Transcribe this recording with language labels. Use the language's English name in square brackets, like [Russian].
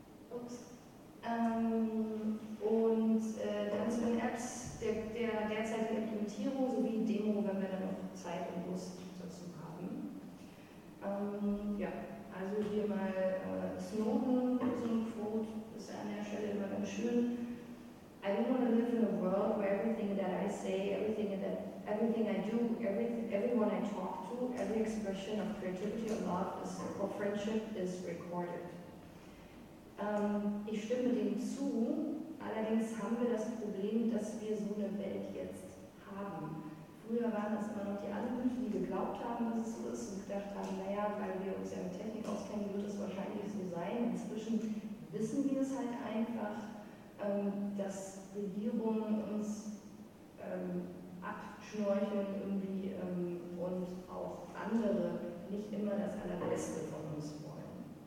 [German] Ups. Dann zu den Apps der derzeitigen Implementierung sowie Demo, wenn wir dann noch Zeit und Lust dazu haben. Also hier mal Snowden, so ein Quote, ist an der Stelle immer ganz schön. [English] I don't want to live in a world where everything that I say, everything I do, everyone I talk to, every expression of creativity or love or friendship is recorded. [German] Ich stimme dem zu, allerdings haben wir das Problem, dass wir so eine Welt jetzt haben. Früher waren das immer noch die anderen, die geglaubt haben, dass es so ist und gedacht haben, naja, weil wir uns ja mit Technik auskennen, wird es wahrscheinlich so sein. Inzwischen wissen wir es halt einfach, dass Regierungen uns abschnorcheln irgendwie und auch andere nicht immer das Allerbeste von uns wollen.